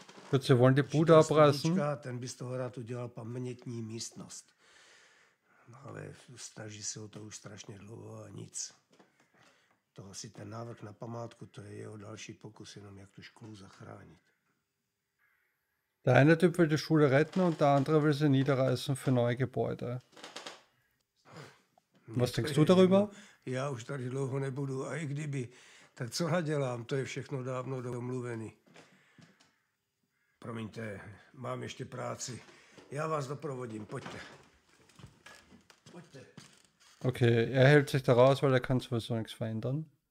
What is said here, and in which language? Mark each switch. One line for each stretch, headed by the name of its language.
Czech: Proč se volně půjde abrazen? Ten by z toho rád udělal pamětní místnost. No, ale snaží se o to už strašně dlouho a nic. To asi ten návrh na památku, to je jeho další pokus, jenom jak tu školu zachránit.
German: Der eine Typ will die Schule retten und der andere will sie niederreißen für neue Gebäude. Was denkst du darüber?
Czech: Já už tady dlouho nebudu, a i kdyby, tak co nadělám, to je všechno dávno domluvený. Promiňte, mám ještě práci. Já vás doprovodím, pojďte. Pojďte.
German: Okay, er hält sich da raus, weil er kann sowieso nichts verändern.